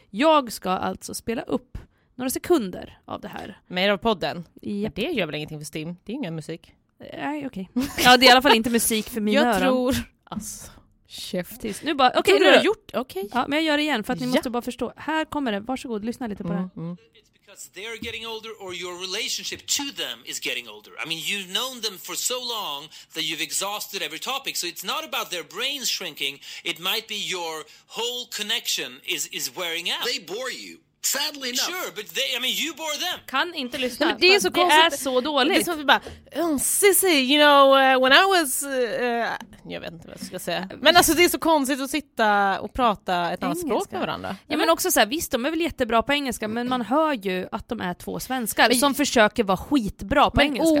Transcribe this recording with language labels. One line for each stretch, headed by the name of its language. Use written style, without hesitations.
Swedish: Jag ska alltså spela upp några sekunder av det här. Mer av podden? Japp. Det gör väl ingenting för Stim? Det är ingen musik. Nej, okej. Okay. Ja, det är i alla fall inte musik för mina öron. Jag tror... Alltså, käftis. Nu bara, okej, okay, du har gjort... Okej. Okay. Ja, men jag gör det igen för att ni måste bara förstå. Här kommer det. Varsågod, lyssna lite på det.
English: It's because they're getting older or your relationship to them is getting older. I mean, you've known them for so long that you've exhausted every topic. So it's not about their brain shrinking. It might be your whole connection is wearing out. They bore you. Sadly enough. Sure, but they, I mean, you bore them.
Swedish: Kan inte lyssna. Men det är så konstigt. Det är så dåligt. Det är som att vi bara, Sissi,
English: you know, when I was...
Swedish: jag vet inte vad jag ska säga. Men alltså, det är så konstigt att sitta och prata ett annat språk med varandra. Ja, men också så här, visst, de är väl jättebra på engelska, men man hör ju att de är två svenskar som försöker vara skitbra på engelska.